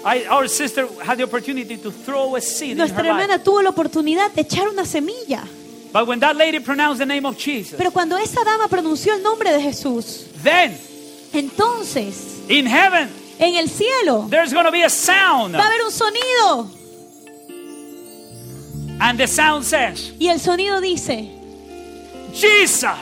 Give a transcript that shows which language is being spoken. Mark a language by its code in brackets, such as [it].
[en] Our sister had the opportunity to throw a seed. [es] Nuestra hermana tuvo la oportunidad de echar una semilla. [en] But when that lady pronounced the name of Jesus, [es] pero cuando esa dama pronunció el nombre de Jesús, [en] then, [es] entonces, [en] in heaven, [es] en el cielo, [en] there's going to be a sound. [es] Va a haber un sonido. [en] And the sound says, [es] y el sonido dice, [en] Jesus,